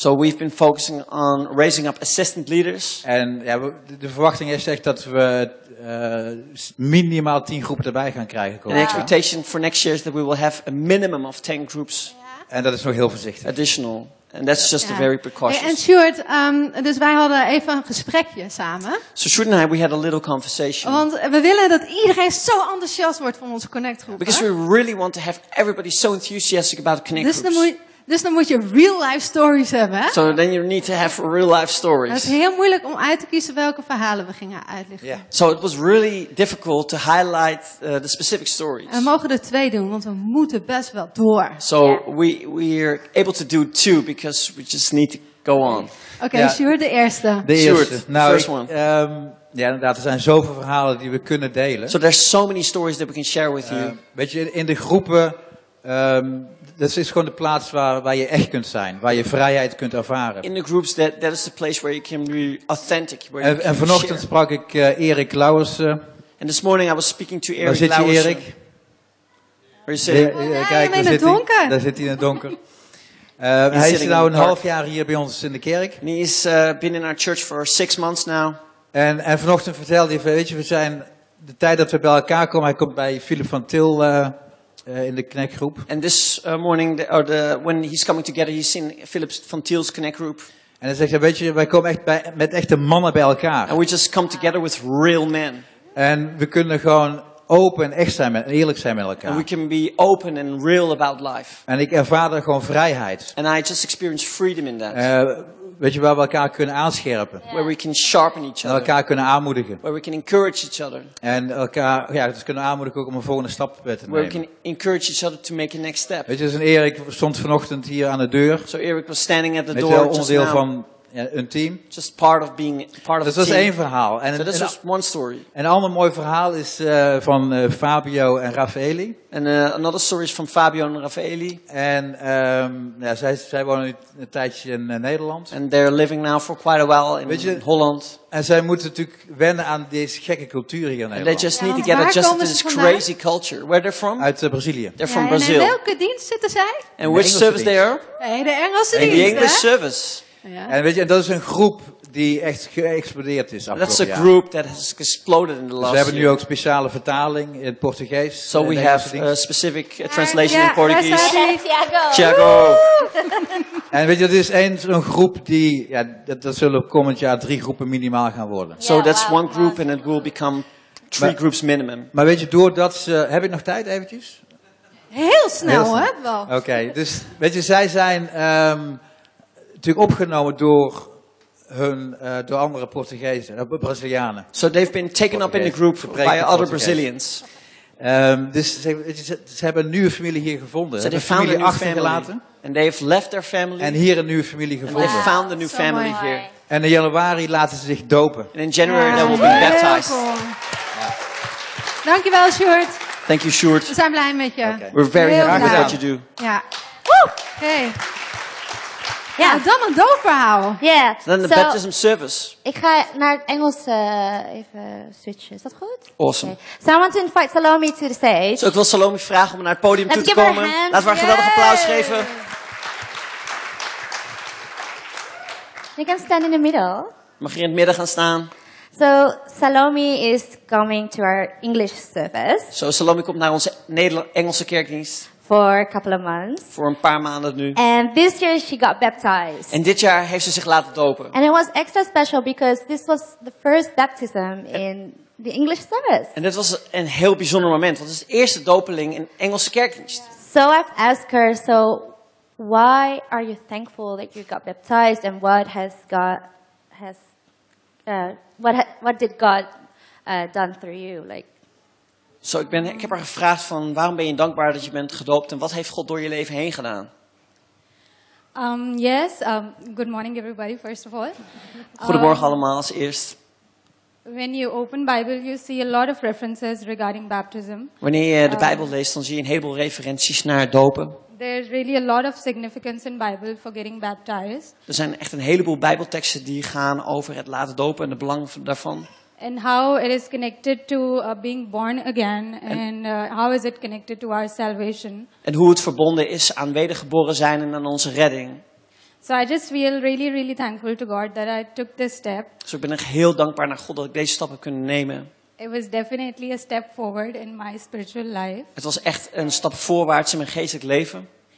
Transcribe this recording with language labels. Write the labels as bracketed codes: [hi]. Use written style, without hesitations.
[en] So we've been focusing on raising up assistant leaders. [nl] En ja, de verwachting is echt dat we minimaal 10 groepen erbij gaan krijgen. [en] And the expectation for next year is that we will have a minimum of 10 groups. [nl] En dat is nog heel voorzichtig. [en] Additional. And that's just a very precautious. [nl] En Stuart, dus wij hadden even een gesprekje samen. [en] So Stuart and I, we had a little conversation. [nl] Want we willen dat iedereen zo enthousiast wordt van onze connect groepen. [en] Because we really want to have everybody so enthusiastic about connect groups. [nl] Dus dan moet je [en] real life stories [nl] hebben. [en] So then you need to have real life stories. [nl] Het is heel moeilijk om uit te kiezen welke verhalen we gingen uitlichten. [en] Yeah. So it was really difficult to highlight the specific stories. [nl] En we mogen er 2 doen, want we moeten best wel door. [en] So we are able to do 2 because we just need to go on. Okay, yeah. [nl] Stuart, de eerste. Ja, inderdaad, er zijn zoveel verhalen die we kunnen delen. [en] So there's so many stories that we can share with you. [nl] Weet je, in de groepen. Dat is gewoon de plaats waar je echt kunt zijn, waar je vrijheid kunt ervaren. [en] In the groups, that is the place where you can be authentic. Where [nl] en [en] you can [nl] vanochtend Sprak ik Erik Lauwersen. [en] And this morning I was speaking to Erik Lauwersen. [nl] Waar zit je, Erik? [en] Where you sitting? [nl] Kijk, in het donker. Daar zit hij in het donker. hij is nu een half jaar hier bij ons in de kerk. [en] And he's been in our church for 6 months now. [nl] En vanochtend vertelde hij, weet je, we zijn de tijd dat we bij elkaar komen. Hij komt bij Philip van Til. In de connect groep. [en] And this morning, when he's coming together, he's in Philip van Til's connect group. [nl] En hij zegt, weet je, wij komen echt met echte mannen bij elkaar. [en] And we just come together with real men. [nl] En we kunnen gewoon open en echt zijn, eerlijk zijn met elkaar. [en] And we can be open and real about life. [nl] En ik ervaar er gewoon vrijheid. [en] And I just experience freedom in that. [nl] Weet je, waar we elkaar kunnen aanscherpen. [en] Where we can sharpen each other. [nl] En elkaar kunnen aanmoedigen. [en] Where we can encourage each other. [nl] En elkaar, ja, dus kunnen aanmoedigen ook om een volgende stap te nemen. [en] Where we can encourage each other to make a next step. [nl] Weet je, dus Erik stond vanochtend hier aan de deur. [en] So Erik was standing at the [nl] met [en] door. [nl] Met onderdeel [en] now, [nl] van een team. [en] Just part of being part of a team. [nl] Dat was één verhaal. [en] En so this was one story. [nl] En een ander mooi verhaal is van Fabio en Raffaeli. [en] And another story is from Fabio and Raffaeli. [nl] En ja, zij wonen nu een tijdje in Nederland. [en] And they're living now for quite a while in Holland. [nl] En zij moeten natuurlijk wennen aan deze gekke cultuur hier in Nederland. [en] And they just need to get adjusted to this crazy culture. Where they're from? [nl] Uit Brazilië. [en] They're from Brazil. [nl] En in welke dienst zitten zij? [en] And which service they are? [nl] Nee, de Engelse dienst. [en] In the English service. [nl] Ja. En weet je, dat is een groep die echt geëxplodeerd is afgelopen jaar. [en] That's a group that has exploded in the last. [nl] Ze hebben nu ook speciale vertaling in Portugees. [en] So we have a specific translation in Portuguese. Thiago. [nl] En weet je, dat is een groep die ja, dat zullen komend jaar 3 groepen minimaal gaan worden. [en] So that's one group and it will become 3 groups minimum. [nl] Maar weet je, doordat ze heb ik nog tijd eventjes? Heel snel, hè? Oké, dus weet je, zij zijn. Natuurlijk opgenomen door hun door andere Portugezen, Brazilianen. [en] So they've been taken up in the group by other Brazilians. [nl] Dus ze hebben een nieuwe familie hier gevonden. Ze hebben familie achtergelaten. [en] And they've left their family. [nl] En hier een nieuwe familie gevonden. [en] And they found a new family here. [nl] En in januari laten ze zich dopen. [en] And in January they will be baptized. Cool. Yeah. [nl] Dankjewel, Sjoerd. [en] Thank you, Sjoerd. [nl] We zijn blij met je. [en] Okay. We're very [nl] heel [en] happy with what you do. [nl] Ja. Woo! Okay. Ja, dan een doopverhaal. [en] Yeah. Then the so, baptism service. [nl] Ik ga naar het Engels even switchen. Is dat goed? [en] Awesome. Okay. So I want to invite Salome to the stage. [nl] So ik wil Salome vragen om naar het podium toe te komen. Laten we haar geweldig applaus geven. [en] You can stand in the middle. [nl] Mag je in het midden gaan staan? [en] So Salome is coming to our English service. [nl] So Salome komt naar onze Engelse kerkdienst. [en] For a couple of months. [nl] Voor een paar maanden nu. [en] And this year she got baptized. [nl] En dit jaar heeft ze zich laten dopen. [en] And it was extra special because this was the first baptism in the English service. [nl] En dit was een heel bijzonder moment, want het is de eerste dopeling in Engelse kerkdienst. [en] So I've asked her, so why are you thankful that you got baptized and what has God has what did God done through you? Like, [nl] so ik heb haar gevraagd van waarom ben je dankbaar dat je bent gedoopt en wat heeft God door je leven heen gedaan? [en] Yes, good morning everybody first of all. [nl] Goedemorgen allemaal als eerst. [en] When you open Bible, you see a lot of references regarding baptism. [nl] Wanneer je de Bijbel leest, dan zie je een heleboel referenties naar dopen. [en] There's really a lot of significance in Bible for getting baptized. [nl] Er zijn echt een heleboel Bijbelteksten die gaan over het laten dopen en het belang daarvan. [en] And how it is connected to being born again, and how is it connected to our salvation? [nl] En hoe het verbonden is aan wedergeboren zijn en aan onze redding. [en] So I just feel really, really thankful to God that I took this step. [nl] Dus ik ben echt heel dankbaar naar God dat ik deze stap heb kunnen nemen. [en] It was definitely a step forward in my spiritual life. [nl] Het was echt een stap voorwaarts in mijn geestelijk leven.